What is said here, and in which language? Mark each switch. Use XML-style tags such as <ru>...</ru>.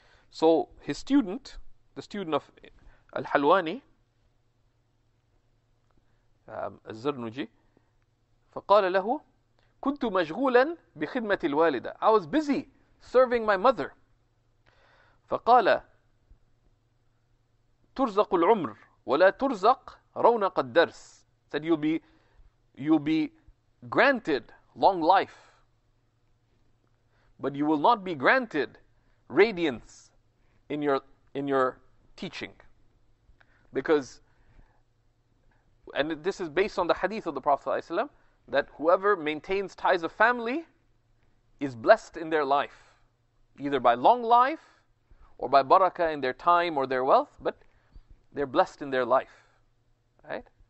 <en>So, his student, the student of Al-Halwani, الزرنجي</en> <ar>فقال له كنت مشغولا بخدمة الوالدة.</ar> <en>I was busy serving my mother.</en> <ar>فقال ترزق العمر ولا ترزق رونق الدرس.</ar> <en>Said you'll be granted long life, but you will not be granted radiance in your teaching. Because, and this is based on the hadith of the Prophet ﷺ, that whoever maintains ties of family is blessed in their life, either by long life or by barakah in their time or their wealth, but they're blessed in their life, right?</en>